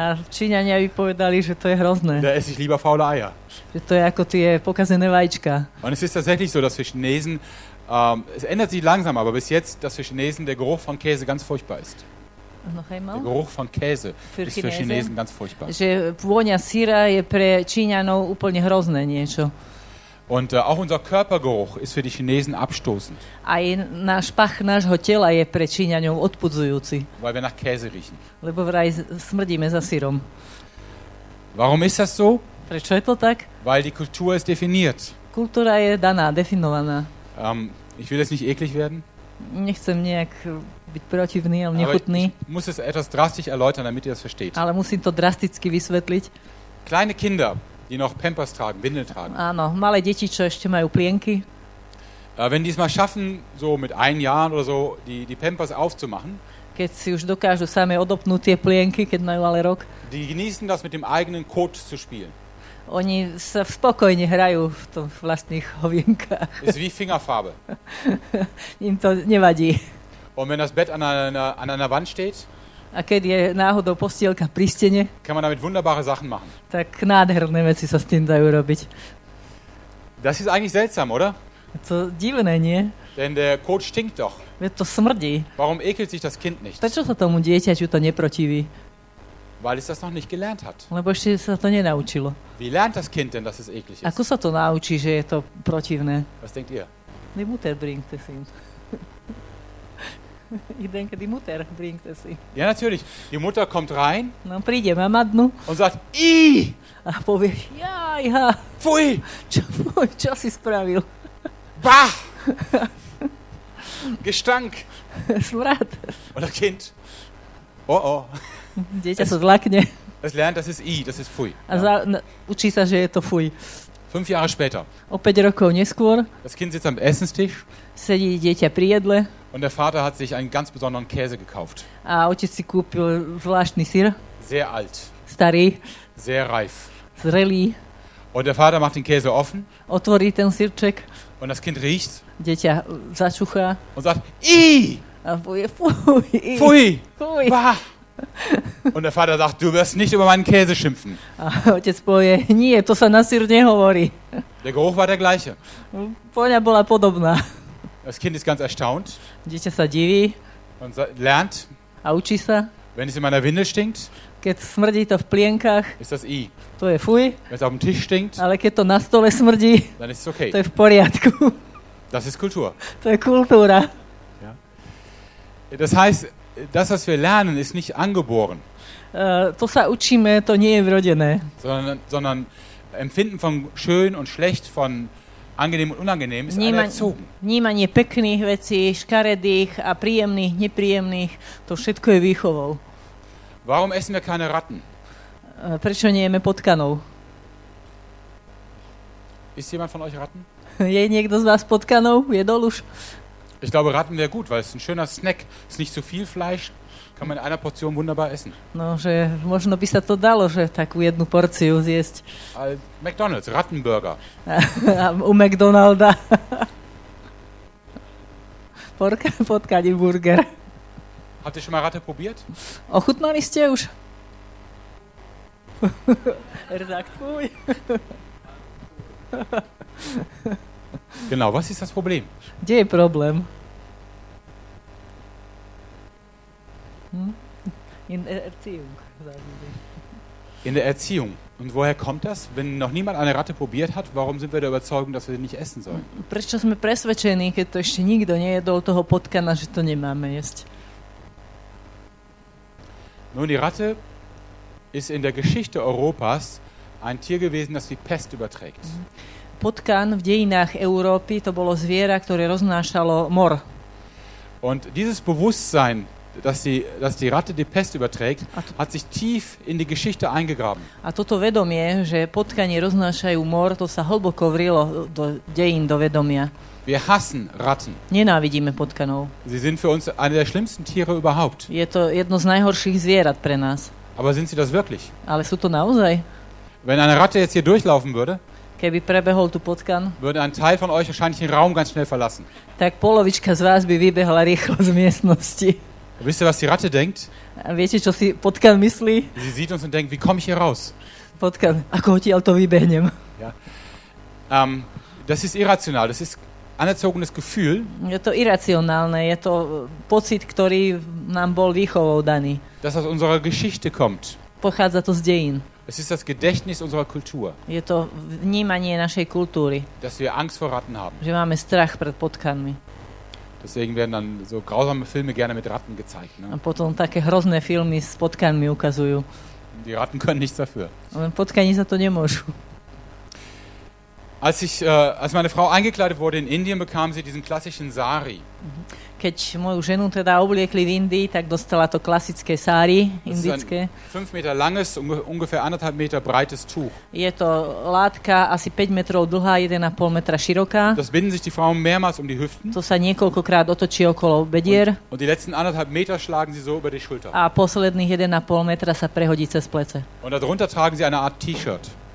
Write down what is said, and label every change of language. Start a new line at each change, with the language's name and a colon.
Slovak: Číňania vypovedali, že to je hrozné.
German: Da esse ich lieber faule Eier.
Slovak: Že to je ako tie pokazené vajíčka.
German: Und es ist tatsächlich so, dass für Chinesen es ändert sich langsam, aber bis jetzt, dass für Chinesen der Geruch von Käse ganz furchtbar ist. Der Geruch von Käse ist für Chinesen ganz furchtbar.
Slovak: Že vôňa syra je pre Číňanov úplne hrozné niečo.
German: Und auch unser Körpergeruch ist für die Chinesen abstoßend.
Slovak: Aj náš pach nášho tela je pre Číňanov odpudzujúci.
German: Weil wir nach Käse riechen.
Slovak: Lebo vraj smrdíme za syrom.
German: Warum ist das so?
Slovak: Prečo je to tak?
German: Weil die Kultur ist definiert.
Slovak: Kultúra je daná, definovaná.
German: Ich will jetzt nicht eklig werden.
Slovak: Nechcem nejak byť protivný, ale nechutný.
German: Aber ich muss es etwas drastisch erläutern, damit ihr es versteht.
Slovak: Ale musím to drasticky vysvetliť.
German: Kleine Kinder, die noch Pampers tragen, Windeln tragen.
Slovak: Áno, malé deti, čo ešte majú plienky.
German: Wenn die es mal schaffen, so mit ein Jahr oder so, die Pampers aufzumachen.
Slovak: Keď si už dokážu sami odopnúť tie plienky, keď majú ale rok.
German: Die genießen das mit dem eigenen Kot zu spielen.
Slovak: Oni sa spokojne hrajú v tom vlastných hovienkách.
German: Ist wie Fingerfarbe.
Slovak: Im to nevadí.
German: Und wenn das Bett an einer Wand steht,
Slovak: a keď je náhodou postielka pri stene,
German: kann man damit wunderbare Sachen machen.
Slovak: Tak nádherné veci sa s tým dajú robiť.
German: Das ist eigentlich seltsam, oder?
Slovak: To divné, nie?
German: Denn der Kot stinkt doch.
Slovak: Veď to smrdí.
German: Warum ekelt sich das Kind nicht?
Slovak: Prečo sa tomu dieťaťu to neprotiví?
German: Weil es das noch nicht gelernt hat.
Slovak: Lebo ešte sa to nenaučilo.
German: Wie lernt das Kind denn, dass es eklig ist?
Slovak: Ako sa to naučí, že je to protivné?
German: Was denkt ihr? Die Mutter bringt es ihm. Ich denke, die Mutter bringt es ihm. Ja, natürlich. Die Mutter kommt rein.
Slovak: No, príde mama dnu.
German: Und sagt, ii!
Slovak: A povie, jajha. Fui! Čo si spravil? Bah!
German: Gestank.
Slovak: Smrad.
German: Oder Kind. Oh, oh.
Slovak: Dieťa sa zlakne.
German: Es lernt, das ist i, das ist fui.
Slovak: A ja. Učí sa, že je to fui.
German: 5 Jahre später.
Slovak: O 5 rokov neskôr.
German: Das Kind sitzt am Essenstisch.
Slovak: Sedí dieťa pri jedle.
German: Und der Vater hat sich einen ganz besonderen Käse gekauft.
Slovak: A otec si kúpil zvláštny syr.
German: Sehr alt.
Slovak: Starý.
German: Sehr reif.
Slovak: Zrelý.
German: Und der Vater macht den Käse offen.
Slovak: Otvorí ten syrček.
German: Und das Kind riecht.
Slovak: Dieťa začuchá.
German: Und sagt, i!
Slovak: A povie, fui! Fui! Fui! Bah!
German: Und der Vater sagt, du wirst nicht über meinen Käse schimpfen.
Slovak: A otec povie, nie, to sa na syr nehovorí.
German: Der Geruch war der gleiche.
Slovak: Vôňa bola podobná.
German: Das Kind ist ganz erstaunt.
Slovak: Dieťa sa diví.
German: Und lernt.
Slovak: A učí sa.
German: Wenn es in meiner Windel stinkt.
Slovak: Keď smrdí to v plienkach.
German: Ist das i.
Slovak: To je fuj.
German: Wenn es auf dem Tisch stinkt.
Slovak: Ale keď to na stole smrdí.
German: Dann ist es okay.
Slovak: To je v poriadku.
German: Das ist Kultur.
Slovak: To je kultúra.
German: Ja. Das heißt, das, was wir lernen, ist nicht angeboren.
Slovak: To sa učíme, to nie je vrodené.
German: Sondern empfinden von schön und schlecht, von angenehm und unangenehm, ist erzogen.
Slovak: Vnímanie pekných vecí, škaredých a príjemných, nepríjemných, to všetko je výchovou.
German: Warum essen wir keine Ratten?
Slovak: Prečo nejeme potkanov?
German: Ist jemand von euch Ratten?
Slovak: Je niekto z vás potkanov? Jedol už?
German: Ich glaube, Ratten wäre gut, weil es ein schöner Snack. Ist nicht zu viel Fleisch, kann man in einer Portion wunderbar essen.
Slovak: No, že možno by sa to dalo, že takú jednu porciu zjesť.
German: McDonald's, Rattenburger.
Slovak: U McDonalda. Potkaní burger.
German: Habt ihr schon mal Ratte probiert?
Slovak: Ochutnali ste už? Redaktuj.
German: Genau, was ist das Problem?
Slovak: Kde je problém?
German: In der Erziehung. In der Erziehung. Und woher kommt das? Wenn noch niemand eine Ratte probiert hat, warum sind wir der Überzeugung, dass wir sie nicht essen sollen?
Slovak: Prečo sme presvedčení, keď to ešte nikto nejedol toho potkana, že to nemáme jesť?
German: Nun, die Ratte ist in der Geschichte Europas ein Tier gewesen, das die Pest überträgt.
Slovak: Potkan v dejinách Európy to bolo zviera, ktoré roznášalo mor.
German: Und dieses Bewusstsein, dass die Ratte die Pest überträgt, hat sich tief in die Geschichte eingegraben.
Slovak: A toto vedomie, že potkani roznášajú mor, to sa hlboko vrilo do dejín, do vedomia.
German: Wir hassen Ratten.
Slovak: Nenávidíme potkanov.
German: Sie sind für uns eine der schlimmsten Tiere überhaupt.
Slovak: Je to jedno z najhorších zvierat pre nás.
German: Aber sind sie das wirklich?
Slovak: Ale sú to naozaj?
German: Wenn eine Ratte jetzt hier durchlaufen würde,
Slovak: keby prebehol tu potkan,
German: würde ein Teil von euch wahrscheinlich den Raum ganz schnell verlassen.
Slovak: Tak polovička z vás by vybehla rýchlo z miestnosti.
German: Und wisst ihr, was die Ratte denkt?
Slovak: Viete, čo si potka myslí?
German: Sie sieht uns und denkt, wie komme ich hier raus?
Slovak: Potka, ako odtiaľto vybehnem?
German: Ja. Das ist irrational, das ist anerzogenes Gefühl.
Slovak: Je to irracionálne, je to pocit, ktorý nám bol výchovou daný.
German: Das aus unserer Geschichte kommt.
Slovak: Pochádza to z dejín.
German: Es ist das Gedächtnis unserer Kultur.
Slovak: Je to vnímanie našej kultúry.
German: Dass wir Angst vor Ratten haben.
Slovak: Že máme strach pred potkanmi.
German: Deswegen werden dann so grausame Filme gerne mit Ratten gezeigt. Ne?
Slovak: A potom také hrozné filmy s potkanmi ukazujú.
German: Die Ratten können nichts dafür.
Slovak: Ale potkani za to nemôžu.
German: Als meine Frau eingekleidet wurde in Indien, bekam sie diesen klassischen Sari.
Slovak: Keď moju ženu teda obliekli v Indii, tak dostala to klasické sari indické.
German: 5 meter langes, ungefähr 1,5 meter breites Tuch.
Slovak: Je to látka asi 5 metrov dlhá, 1,5 metra široká.
German: Das binden sich die Frauen mehrmals um die Hüften.
Slovak: To sa niekoľkokrát otočí okolo bedier.
German: Und die letzten 1,5 meter schlagen sie so über die Schulter.
Slovak: A posledných 1,5 metra sa prehodí cez plece.
German: Und darunter tragen sie eine Art T-Shirt.